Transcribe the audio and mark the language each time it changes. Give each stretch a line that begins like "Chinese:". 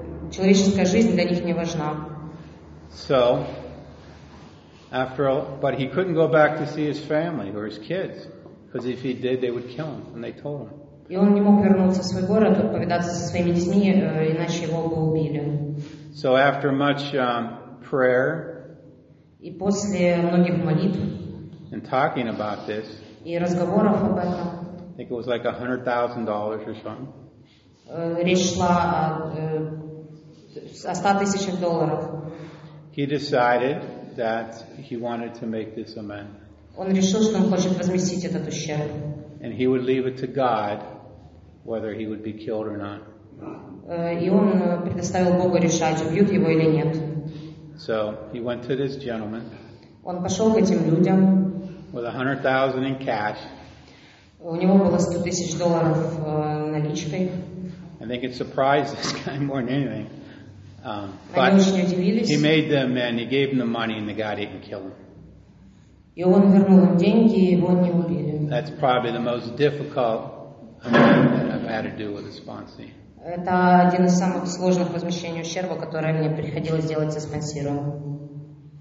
Russian: Человеческая жизнь для них не важна.
English: So, after all, but he couldn't go back to see his family or his kids, because if he did, they would kill him, and they told him.
Russian: И он не мог вернуться в свой город, повидаться со своими детьми, иначе его бы убили.
English: So after much prayer,
Russian: и после многих молитв,
English: and talking about this,
Russian: и разговоров об этом,
English: I think it was like $100,000 or something.
Russian: Речь шла о 100 тысячах долларов.
English: He decided that he wanted to make this amend.
Russian: Он решил, что он хочет возместить этот ущерб.
English: And he would leave it to God whether he would be killed or not.
Russian: И он предоставил Богу решать, убьют его или нет.
English: So he went to this gentleman.
Russian: Он пошел к этим людям.
English: With $100,000 in cash.
Russian: У него было 100 тысяч долларов наличкой.
English: I think it surprised this guy more than anything.
Russian: Они очень удивились.
English: He made the amend. He gave him the money, and the guy didn't kill him.
Russian: И он вернул им деньги, и его не убили.
English: That's probably the most difficult amend that I've had to do with a sponsee.
Russian: Это один из самых сложных возмещений ущерба, которое мне приходилось делать со спонсором.